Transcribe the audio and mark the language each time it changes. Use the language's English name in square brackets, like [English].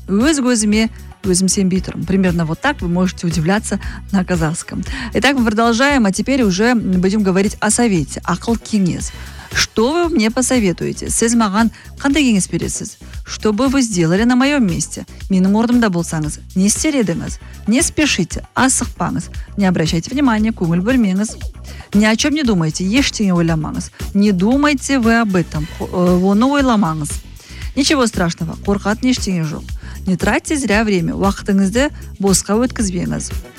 [Kazakh] Өз көзіме, өзім сенбей тұрым. [Russian] Примерно вот так вы можете удивляться на казахском. Итак, мы продолжаем. А теперь уже будем говорить о совете. [Kazakh] Ақыл кеңес. [Russian] Что вы мне посоветуете? [Kazakh] Сіз маған қандай кеңес бересіз? [Russian] Что бы вы сделали на моем месте? [Kazakh] Менің орнымда болсаңыз, не істер едіңіз? [Russian] Не спешите, [Kazakh] асықпаңыз. [Russian] Не обращайте внимания, [Kazakh] көңіл бөлмеңіз. [Russian] Ни о чем не думайте, [Kazakh] ештеңе ойламаңыз. [Russian] Не думайте вы об этом, [Kazakh] оны ойламаңыз. [Russian] Ничего страшного, [Kazakh] қорқатын ештеңе жоқ. [Russian] Не тратьте зря время, [Kazakh] уақытыңызды босқа өткізбеңіз.